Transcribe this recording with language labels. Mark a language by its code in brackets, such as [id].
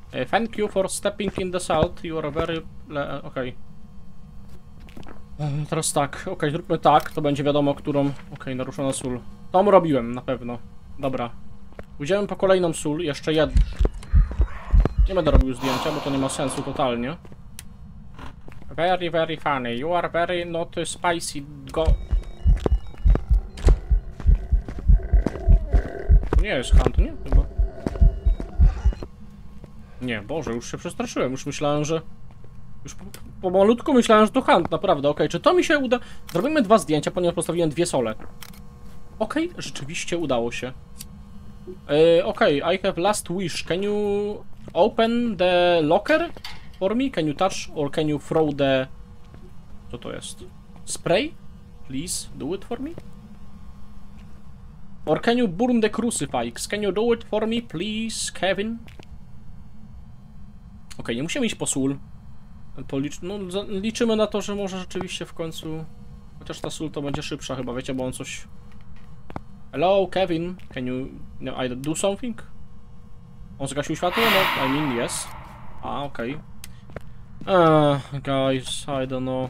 [en] Thank you for stepping in the salt. You are very... okej. [pl] Teraz tak, okej, zróbmy tak, to będzie wiadomo, którą... Okej, naruszona sól. Tą robiłem, na pewno. Dobra. Pójdziemy po kolejną sól, jeszcze jedną. Nie będę robił zdjęcia, bo to nie ma sensu totalnie. [en] Very, very funny. You are very not spicy. Go... [pl] To nie jest hunt, nie? Chyba. Nie, Boże, już się przestraszyłem, już myślałem, że... Już po malutku myślałem, że to hunt, naprawdę, okej, czy to mi się uda? Zrobimy dwa zdjęcia, ponieważ postawiłem dwie sole. Okej, rzeczywiście udało się. [en] Okej, I have last wish, can you open the locker for me? Can you touch or can you throw the... [pl] Co to jest? Spray? [en] Please do it for me? Or can you burn the crucifix? Can you do it for me, please, Kevin? [pl] Okej, nie musimy iść po sól. No, liczymy na to, że może rzeczywiście w końcu... Chociaż ta sól to będzie szybsza chyba, wiecie, bo on coś... [en] Hello, Kevin, can you... No, I do something? [pl] On zgasił światło? [en] No, I mean, yes. A, okej. Guys, I don't know.